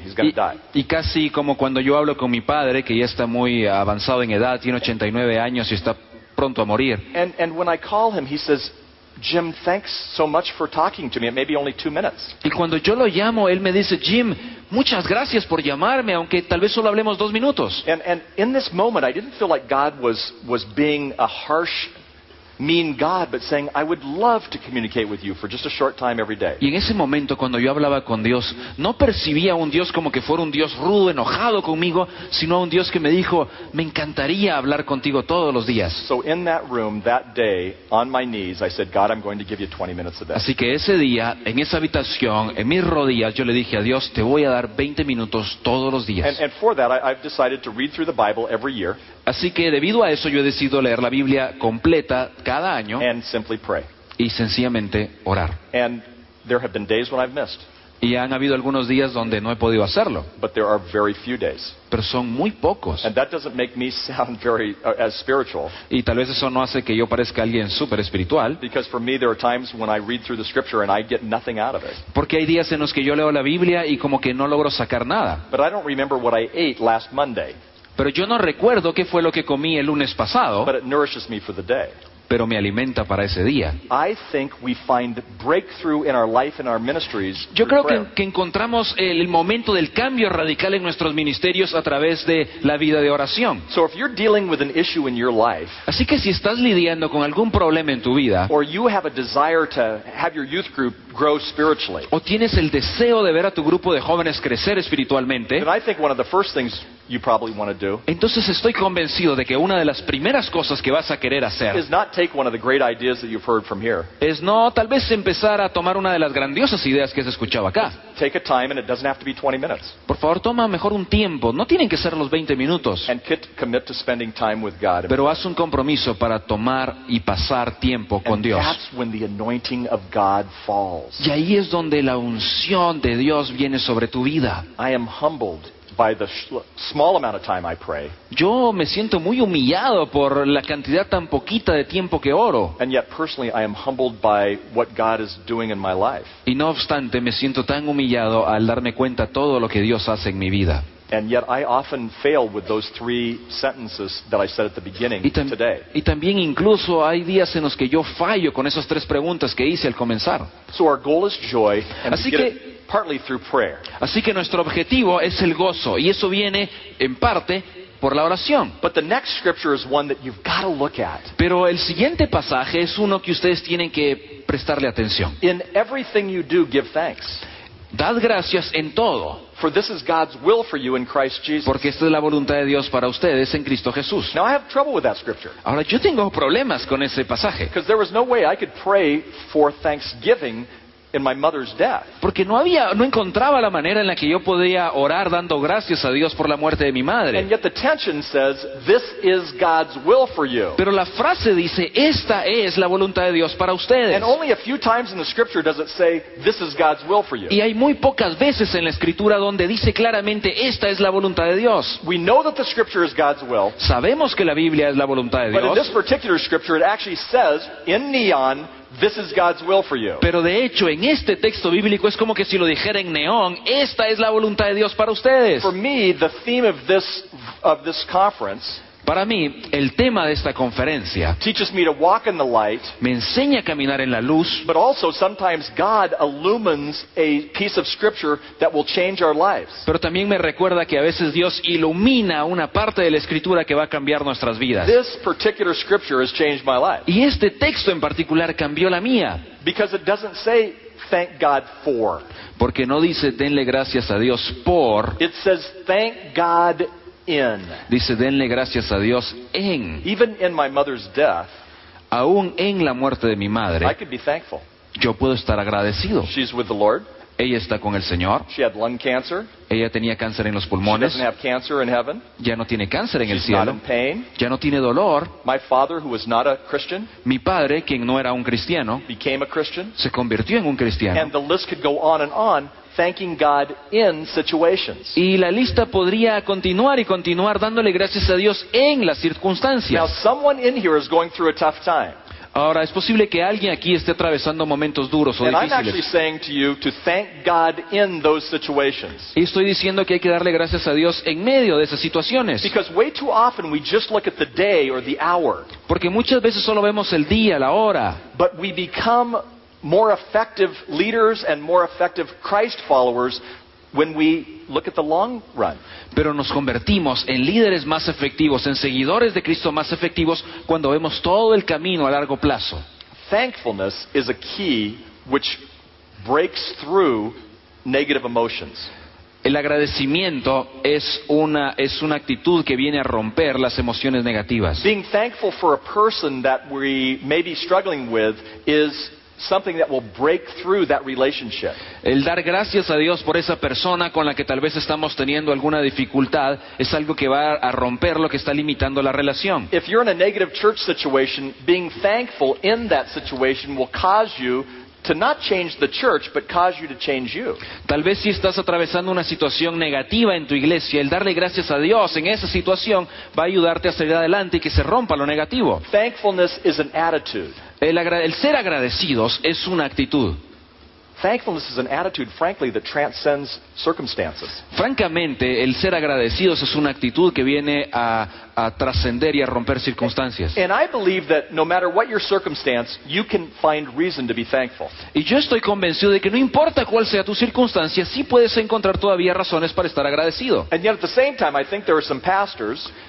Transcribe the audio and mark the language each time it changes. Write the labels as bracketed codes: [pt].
[en] He's going to die. [es] Y casi como cuando yo hablo con mi padre, que ya está muy avanzado en edad, tiene 89 años y está pronto a morir. [en] And when I call him, he says, Jim, thanks so much for talking to me. It may be only 2 minutes. [es] Y cuando yo lo llamo, él me dice, Jim, muchas gracias por llamarme, aunque tal vez solo hablemos 2 minutos. [en] And in this moment, I didn't feel like God was being a harsh, mean God, but saying, I would love to communicate with you for just a short time every day. [es] Y en ese momento, cuando yo hablaba con Dios, no percibía a un Dios como que fuera un Dios rudo, enojado conmigo, sino a un Dios que me dijo, me encantaría hablar contigo todos los días. [en] So in that room, that day, on my knees, I said, God, I'm going to give you 20 minutes of this. [es] Así que ese día, en esa habitación, en mis rodillas, yo le dije a Dios, te voy a dar 20 minutos todos los días. [en] And for that, I've decided to read through the Bible every year. [es] Así que debido a eso, yo he decidido leer la Biblia completa cada año y sencillamente orar. [en] And there have been days when I've missed. [es] Y han habido algunos días donde no he podido hacerlo. [en] But there are very few days. [es] Pero son muy pocos. [en] And that doesn't make me sound very, as spiritual. [es] Y tal vez eso no hace que yo parezca alguien súper espiritual. [en] Because for me, there are times when I read through the scripture and I get nothing out of it. [es] Porque hay días en los que yo leo la Biblia y como que no logro sacar nada. [en] But I don't remember what I ate last Monday. [es] Pero yo no recuerdo qué fue lo que comí el lunes pasado. [en] But it nourishes me for the day. [es] Pero me alimenta para ese día. [en] I think we find breakthrough in our life and our ministries. [es] Yo creo que encontramos el momento del cambio radical en nuestros ministerios a través de la vida de oración. [en] So if you're dealing with an issue in your life, [es] así que si estás lidiando con algún problema en tu vida, [en] or you have a desire to have your youth group grow spiritually, [es] o tienes el deseo de ver a tu grupo de jóvenes crecer espiritualmente, [en] then I think one of the first things you probably want to do, [es] entonces estoy convencido de que una de las primeras cosas que vas a querer hacer [en] is not take one of the great ideas that you've heard from here. [es] Es no tal vez empezar a tomar una de las grandiosas ideas que has escuchado acá. [en] Take a time and it doesn't have to be 20 minutes. [es] Por favor, toma mejor un tiempo. No tienen que ser los 20 minutos. [en] And commit to spending time with God. [es] Pero haz un compromiso para tomar y pasar tiempo con Dios. [en] And that's when the anointing of God falls. [es] Y ahí es donde la unción de Dios viene sobre tu vida. [en] I am humbled by the small amount of time I pray. [es] Yo me siento muy humillado por la cantidad tan poquita de tiempo que oro. [en] And yet personally I am humbled by what God is doing in my life. [es] Y no obstante me siento tan humillado al darme cuenta todo lo que Dios hace en mi vida. [en] And yet I often fail with those three sentences that I said at the beginning today. [es] Y también incluso hay días en los que yo fallo con esas tres preguntas que hice al comenzar. [en] So our goal is joy and [es] así que [en] partly through prayer. [es] Así que nuestro objetivo es el gozo y eso viene en parte por la oración. [en] But the next scripture is one that you've got to look at. [es] Pero el siguiente pasaje es uno que ustedes tienen que prestarle atención. [en] In everything you do, give thanks. [es] Dad gracias en todo. [en] For this is God's will for you in Christ Jesus. [es] Porque esta es la voluntad de Dios para ustedes en Cristo Jesús. [en] Now I have trouble with that scripture. [es] Ahora yo tengo problemas con ese pasaje. [en] Because there was no way I could pray for thanksgiving in my mother's death. [es] Porque no encontraba la manera en la que yo podía orar dando gracias a Dios por la muerte de mi madre. [en] And yet the tension says, this is God's will for you. [es] Pero la frase dice, esta es la voluntad de Dios para ustedes. [en] And only a few times in the scripture does it say, this is God's will for you. [es] Y hay muy pocas veces en la escritura donde dice claramente, esta es la voluntad de Dios. [en] We know that the scripture is God's will. [es] Sabemos que la Biblia es la voluntad de Dios. [en] But in this particular scripture it actually says in neon, this is God's will for you. [es] Pero de hecho, en este texto bíblico es como que si lo dijera en neón, esta es la voluntad de Dios para ustedes. [en] For me, the theme of this conference, [es] para mí, el tema de esta conferencia [en] teaches me to walk in the light, [es] me enseña a caminar en la luz, [en] but also sometimes God illumines a piece of scripture that will change our lives. [es] Pero también me recuerda que a veces Dios ilumina una parte de la escritura que va a cambiar nuestras vidas. [en] This particular scripture has changed my life. [es] Y este texto en particular cambió la mía. [en] Because it doesn't say thank God for. [es] Porque no dice denle gracias a Dios por. [en] It says thank God in. [es] Dice denle gracias a Dios en. [en] Even in my mother's death, [es] aún en la muerte de mi madre, [en] I could be thankful. [es] Yo puedo estar agradecido. [en] She's with the Lord. [es] Ella está con el Señor. [en] She had lung cancer. [es] Ella tenía cáncer en los pulmones. [en] She doesn't have cancer in heaven. [es] Ya no tiene cáncer en [en] She's [es] el cielo. [en] Not in pain. [es] Ya no tiene dolor. [en] My father, who was not a Christian, [es] mi padre, quien no era un cristiano, [en] became a Christian, [es] se convirtió en un cristiano. [en] And the list could go on and on. Thanking God in situations. [es] Y la lista podría continuar y continuar dándole gracias a Dios en las circunstancias. [en] Now someone in here is going through a tough time. [es] Ahora es posible que alguien aquí esté atravesando momentos duros o [en] and [es] difíciles. [en] I'm actually saying to you to thank God in those situations. [es] Y estoy diciendo que hay que darle gracias a Dios en medio de esas situaciones. [en] Because way too often we just look at the day or the hour. [es] Porque muchas veces solo vemos el día, la hora. [en] But we become more effective leaders and more effective Christ followers when we look at the long run. [es] Pero nos convertimos en líderes más efectivos, en seguidores de Cristo más efectivos cuando vemos todo el camino a largo plazo. [en] Thankfulness is a key which breaks through negative emotions. [es] El agradecimiento es una actitud que viene a romper las emociones negativas. [en] Being thankful for a person that we may be struggling with is something that will break through that relationship. [es] El dar gracias a Dios por esa persona con la que tal vez estamos teniendo alguna dificultad es algo que va a romper lo que está limitando la relación. [en] If you're in a negative church situation, being thankful in that situation will cause you to not change the church, but cause you to change you. [es] Tal vez si estás atravesando una situación negativa en tu iglesia, el darle gracias a Dios en esa situación va a ayudarte a salir adelante y que se rompa lo negativo. [en] Thankfulness is an attitude. [es] El ser agradecidos es una actitud. [en] Thankfulness is an attitude, frankly, that transcends circumstances. [es] Francamente, el ser agradecidos es una actitud que viene a trascender y a romper circunstancias. [en] And I believe that no matter what your circumstance, you can find reason to be thankful. [es] Y yo estoy convencido de que no importa cuál sea tu circunstancia, sí puedes encontrar todavía razones para estar agradecido. [en] And yet at the same time, I think there are some pastors.